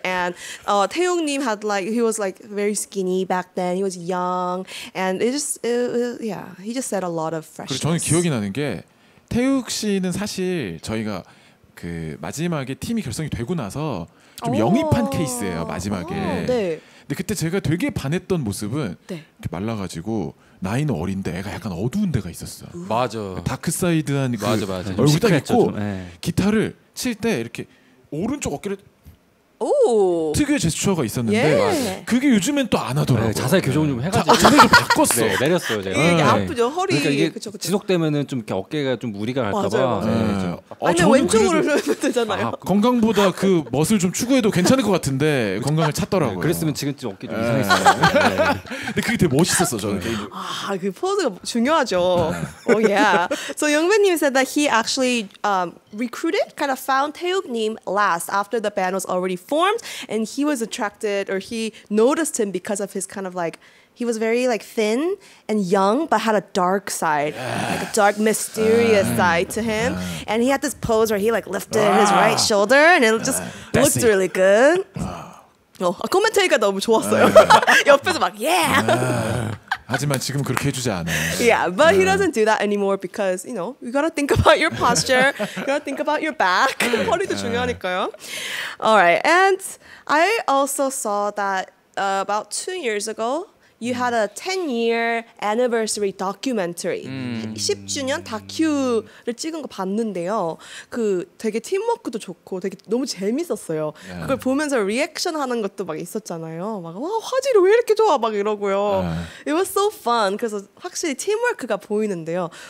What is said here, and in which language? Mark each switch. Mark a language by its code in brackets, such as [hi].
[en] And 태용님 had like he was like very skinny back then. He was young. And it just he just said a lot of freshness. [ko] 그리고 저는 기억이 나는 게 태욱 씨는 사실 저희가 그 마지막에 팀이 결성이 되고 나서 좀 영입한 케이스예요 마지막에. 네. 근데 그때 제가 되게 반했던 모습은 네. 이렇게 말라가지고 나이는 어린데 애가 약간 어두운 데가 있었어. 맞아. 다크사이드한 그 맞아, 맞아. 얼굴 딱 있고 좀, 기타를 칠 때 이렇게 오른쪽 어깨를 오. 특유의 제스처가 있었는데 예. 그게 요즘엔 또 안 하더라고요. 네, 자세 교정 좀 해가지고 자세 좀 바꿨어. 네, 내렸어요 제가. 이게 아프죠 허리. 그러니까 이게 그쵸. 지속되면은 좀 이렇게 어깨가 좀 무리가 갈까봐. 네, 아니 왼쪽으로 그래도 되잖아요. 건강보다 그 멋을 좀 추구해도 괜찮을 것 같은데 건강을 찾더라고요. 네, 그랬으면 지금쯤 어깨 좀 이상했어요. 네. 근데 그게 되게 멋있었어 저는. 아, 그 포즈가 중요하죠. [en] Oh yeah. So 영배님 said that he actually recruited, kind of found 태욱님 last after the band was already formed, and he was attracted or he noticed him because of his kind of like he was very like thin and young but had a dark side, like a dark mysterious side to him, and he had this pose where he like lifted his right shoulder and it just looked really good. [ko] 코멘트가 너무 좋았어요. 옆에서 막 yeah. 하지만 지금 그렇게 해주지 않아요. [en] Yeah, but he doesn't do that anymore because, you know, you gotta think about your posture, you gotta think about your back. [ko] 허리도 중요하니까요. [en] Alright, and I also saw that about 2 years ago, you had a 10-year anniversary documentary. [ko] 10주년 다큐를 찍은 거 봤는데요. 그 되게 팀워크도 좋고 되게 너무 재밌었어요. 그걸 보면서 리액션 하는 것도 막 있었잖아요. 막 와, 화질이 왜 이렇게 좋아? 막 이러고요. [en] It was so fun. [ko] 그래서 확실히 팀워크가 보이는데요.